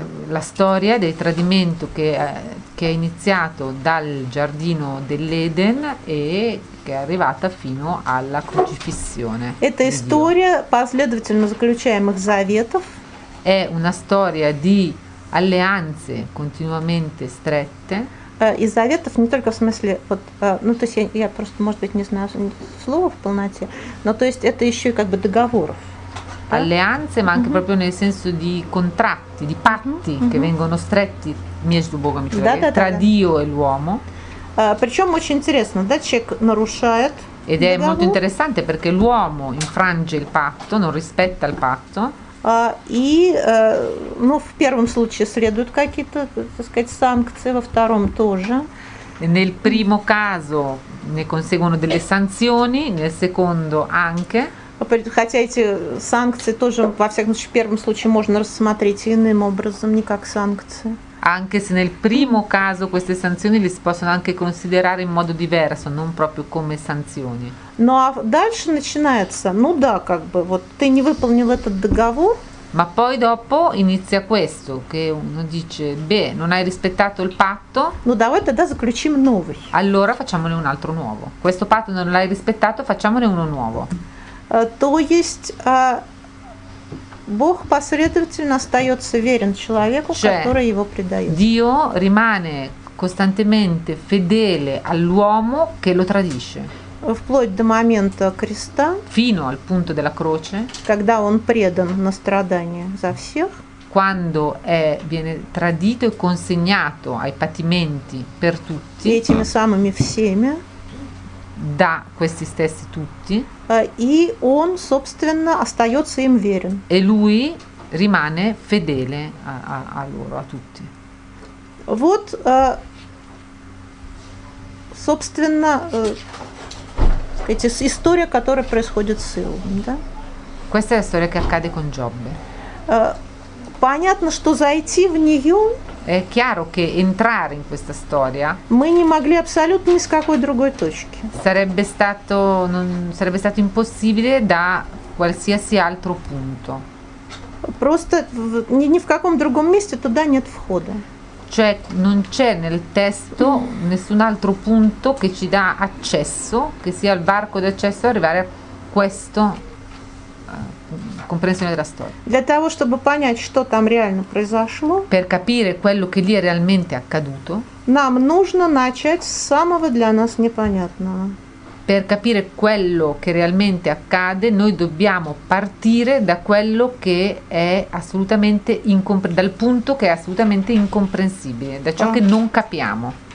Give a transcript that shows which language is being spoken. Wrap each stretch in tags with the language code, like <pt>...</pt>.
<it>La storia del tradimento che è iniziato dal giardino dell'Eden e che è arrivata fino alla crocifissione.</it> <ru>Это история последовательно заключаемых заветов.</ru> <it>È una storia di alleanze continuamente strette.</it> <ru>И заветов не только в смысле вот, ну то есть я просто, может быть, не знаю слова в полноте, но то есть это еще и как бы договоров.</ru> <it>Alleanze, ma anche proprio nel senso di contratti, di patti che vengono stretti</it> <ru>между Богом и человеком,</ru> <it>tra Dio e l'uomo.</it> <ru>Причем очень интересно, да, человек нарушает.</ru> <it>Ed è molto interessante perché l'uomo infrange il patto, non rispetta il patto.</it> <ru>Ну, в первом случае следуют какие-то, так сказать, санкции, во втором тоже.</ru> <it>Nel primo caso ne conseguono delle sanzioni, nel secondo anche.</it> <ru>Хотя эти санкции тоже, во всяком случае, в первом случае можно рассмотреть иным образом, не как санкции.</ru> <it>Anche se nel primo caso queste sanzioni le si possono anche considerare in modo diverso, non proprio come sanzioni.</it> <ru>Ну а дальше начинается, ну да, как бы, вот ты не выполнил этот договор.</ru> <it>Ma poi dopo inizia questo, che uno dice, beh, non hai rispettato il patto.</it> <ru>Ну давай тогда заключим новый.</ru> <it>Allora facciamone un altro nuovo. Questo patto non l'hai rispettato, facciamone uno nuovo.</it> <ru>То есть, Бог последовательно остается верен человеку,</ru> <it>cioè,</it> <ru>который его предает.</ru> <it>Dio rimane costantemente fedele all'uomo che lo tradisce.</it> <ru>Вплоть до момента креста.</ru> <it>Fino al punto della croce.</it> <ru>Когда он предан на страдания за всех.</ru> <it>Quando è viene tradito e consegnato ai patimenti per tutti.</it> <ru>И этими самыми всеми.</ru> <it>Da questi stessi tutti.</it> <ru>И он, собственно, остается им верен.</ru> <it>E lui rimane fedele a loro, a tutti.</it> <ru>Вот, собственно, история, которая происходит с Иовом, да?</ru> <it>Questa è la storia che accade con Giobbe.</it> <ru>Понятно, что зайти в нее.</ru> <it>È chiaro che entrare in questa storia.</it> <ru>Мы не могли абсолютно ни с какой другой точки.</ru> <it>Sarebbe stato, non, sarebbe stato impossibile da qualsiasi altro punto.</it> <ru>Просто ни в каком другом месте туда нет входа.</ru> <it>Cioè, non c'è nel testo nessun altro punto che ci dà accesso, che sia il varco d'accesso a arrivare a questo. Comprensione della storia.</it> <ru>Для того, чтобы понять, что там реально произошло,</ru> <it>per capire quello che lì è realmente accaduto,</it> <ru>нам нужно начать с самого для нас непонятного.</ru> <it>Per capire quello che realmente accade, noi dobbiamo partire da quello che è assolutamente dal punto che è assolutamente incomprensibile, da ciò che non capiamo.</it>